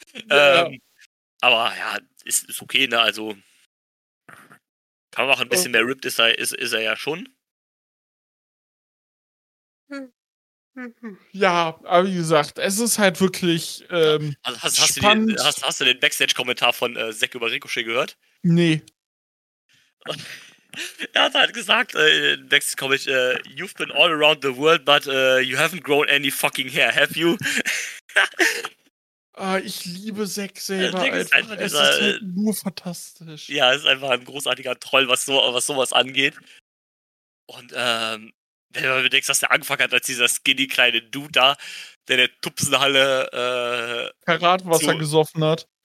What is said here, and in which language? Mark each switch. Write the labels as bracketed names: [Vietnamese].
[German] Ja, aber ja, ist okay, ne? Also kann man auch ein bisschen mehr ripped ist er ja schon. Ja, aber wie gesagt, es ist halt wirklich also hast spannend. Hast du den Backstage-Kommentar von Zack über Ricochet gehört? Nee. Er hat halt gesagt, [English] you've been all around the world, but you haven't grown any fucking hair, have you? [German] ich liebe Zack selber. Es ist halt nur fantastisch. Ja, es ist einfach ein großartiger Troll, was sowas angeht. Und wenn man bedenkt, dass der angefangen hat als dieser skinny kleine Dude da, der in der Tupsenhalle Karatwasser gesoffen hat.